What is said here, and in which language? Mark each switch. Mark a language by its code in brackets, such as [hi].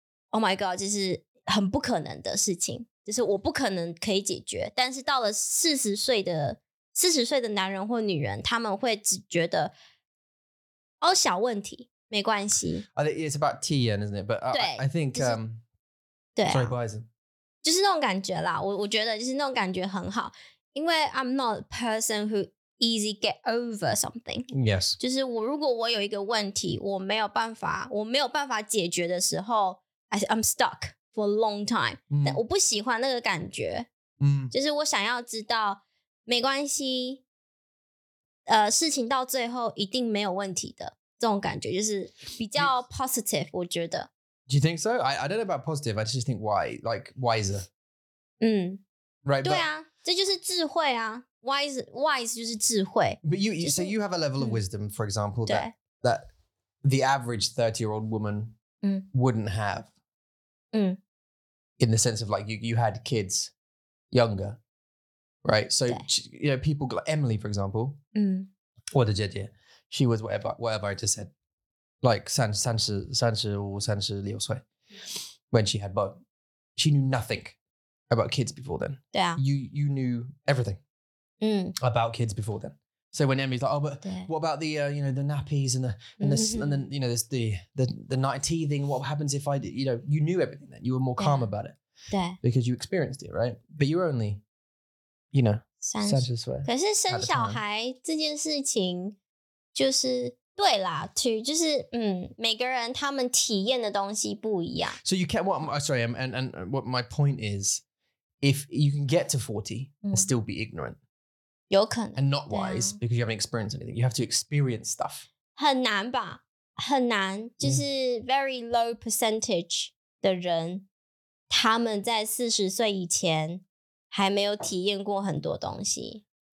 [en] Oh my god, [zh] 就是很不可能的事情，就是我不可能可以解决，但是到了40岁的男人或女人，他们会只觉得哦，小问题，没关系。 [en] I think it's about tea, isn't it? But I think, [zh] 就是对啊， [en] sorry, [zh] 不好意思。就是那种感觉啦，我觉得就是那种感觉很好，因为 [en] I'm not a person who easy get over something. Yes. [zh] 就是我如果我有一个问题我没有办法我没有办法解决的时候 [en] I'm stuck for a long time.、 [zh] Mm. 但我不喜欢那个感觉。嗯、 mm. 就是我想要知道没关系事情到最后一定没有问题的这种感觉就是比较 positive, 我觉得。 [en] Do you think so? I don't know about positive, I just think why, like wiser. 嗯。 Right, [zh] 对啊这就是智慧啊。Wise 就是智慧。 [en] But you, [zh] 就是, [en] so you have a level of wisdom, for example, that the average 30-year-old woman wouldn't have. In the sense of like, you had kids younger, right? So, you know, people, like Emily, for example, or the 姐姐, she was whatever I just said, like 30, 35 when she had both. She knew nothing about kids before then. Yeah. You knew everything. About kids before then. So when Emily's like, oh, but what about the, you know, the nappies and the, and the, you know, the night teething, what happens if I, you know, you knew everything then, you were more calm about it. Because you experienced it, right? But you were only, you know, 30. [zh] 可是生小孩这件事情就是对啦 too, 就是每个人他们体验的东西不一样。 [en] So you can't, and what my point is, if you can get to 40 and still be ignorant, [zh] 有可能 [en] and not wise because you haven't experienced anything. You have to experience stuff. [zh] 很难吧，很难，就是 [en] very low percentage [zh] 的人，他们在四十岁以前还没有体验过很多东西。